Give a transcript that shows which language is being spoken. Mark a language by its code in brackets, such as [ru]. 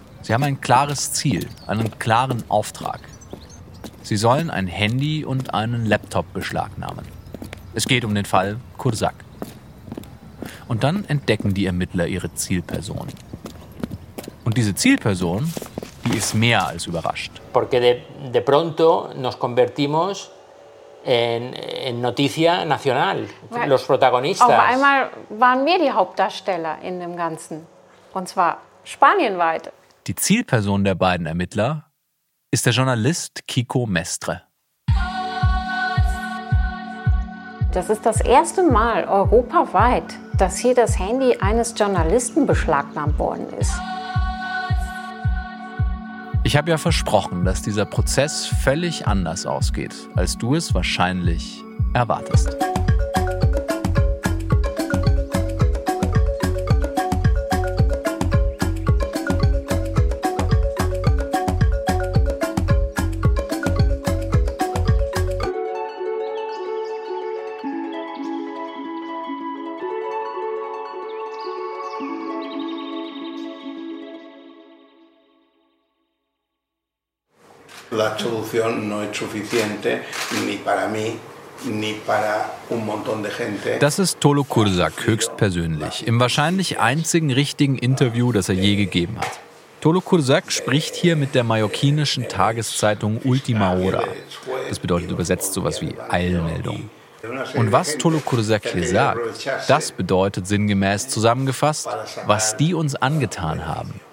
[de] Sie haben ein klares Ziel, einen klaren Auftrag. Sie sollen ein Handy und einen Laptop beschlagnahmen. Es geht um den Fall Kurzak. Und dann entdecken die Ermittler ihre Zielperson. Und diese Zielperson, die ist mehr als überrascht. [es] Porque de pronto nos convertimos en noticia nacional, los protagonistas. [de] Auf einmal waren wir die Hauptdarsteller in dem Ganzen. Und zwar spanienweit. Die Zielperson der beiden Ermittler ist der Journalist Kiko Mestre. Das ist das erste Mal europaweit, dass hier das Handy eines Journalisten beschlagnahmt worden ist. Ich habe ja versprochen, dass dieser Prozess völlig anders ausgeht, als du es wahrscheinlich erwartest. [es] La solución no es suficiente ni para mí ni para un montón de gente. [de] Das ist Tolo Kurzak höchstpersönlich im wahrscheinlich einzigen richtigen Interview, das er je gegeben hat. Tolo Kurzak spricht hier mit der mallorquinischen Tageszeitung Ultima Hora. Das bedeutet übersetzt sowas wie Eilmeldung. Und was Tolo Kurzak hier sagt, das bedeutet sinngemäß zusammengefasst, was die uns angetan haben.